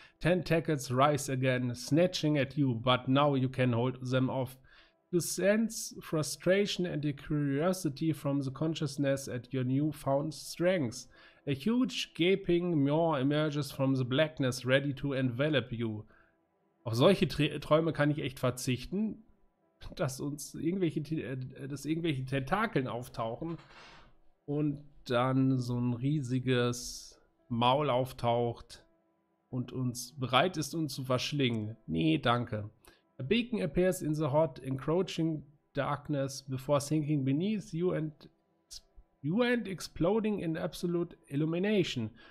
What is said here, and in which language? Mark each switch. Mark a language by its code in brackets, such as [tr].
[en] 10 tackles rise again, snatching at you, but now you can hold them off. You sense frustration and a curiosity from the consciousness at your newfound strength. A huge gaping maw emerges from the blackness, ready to envelop you. [de] Auf solche Träume kann ich echt verzichten, dass uns irgendwelche, dass irgendwelche Tentakeln auftauchen und dann so ein riesiges Maul auftaucht und uns bereit ist, uns zu verschlingen. Nee, danke. [en] A beacon appears in the hot, encroaching darkness before sinking beneath you and exploding in absolute illumination.